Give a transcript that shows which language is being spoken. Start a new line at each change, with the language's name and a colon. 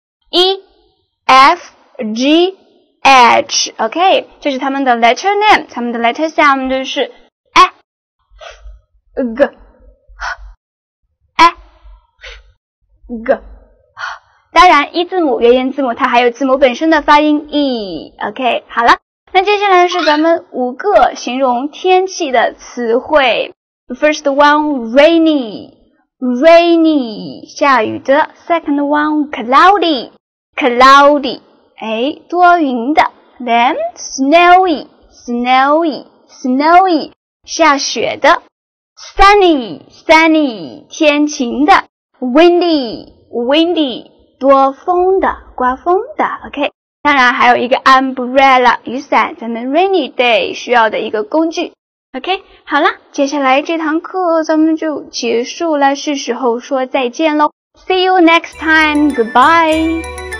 Chinese: E, F, G, H, OK, 这是他们的 letter name, 他们的 letter sound 是 A, F, G, A, F, G, 当然 E 字母元音字母它还有字母本身的发音 E, OK, 好了，那接下来是咱们五个形容天气的词汇。
English: First one, rainy, rainy, 下雨的。 Second one, cloudy, cloudy, 诶，多云的。 Then, snowy, snowy, snowy, 下雪的。 Sunny, sunny, 天晴的。 Windy, windy, 多风的，刮风的。
Chinese: OK, 当然还有一个 umbrella, 雨伞，咱们 rainy day 需要的一个工具。 OK, 好啦，接下来这堂课咱们就结束了，是时候说再见咯。
English: See you next time, goodbye!